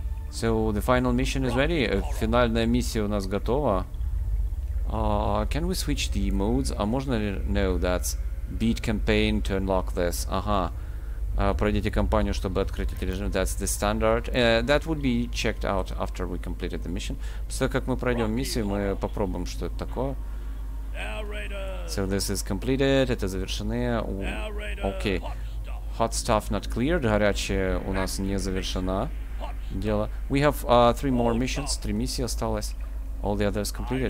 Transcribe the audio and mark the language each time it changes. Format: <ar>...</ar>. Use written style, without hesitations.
<en>So, the final mission is ready.</en> <ru>Финальная миссия у нас готова.</ru> <en>Can we switch the modes?</en> <ru>А можно ли...</ru> <en>No, that's beat campaign to unlock this. Ага.</en> <ru>Пройдите кампанию, чтобы открыть этот режим.</ru> <en>That's the standard. That would be checked out after we completed the mission.</en> <ru>Все, как мы пройдем миссию, мы попробуем, что это такое.</ru> <en>So this is completed.</en> <ru>Это завершены.</ru> <en>Okay. Hot stuff not cleared.</en> <ru>Горячее у нас не завершено. Дело.</ru> <en>We have three more missions.</en> <ru>Три миссии осталось.</ru> <en>All the others completed.</en>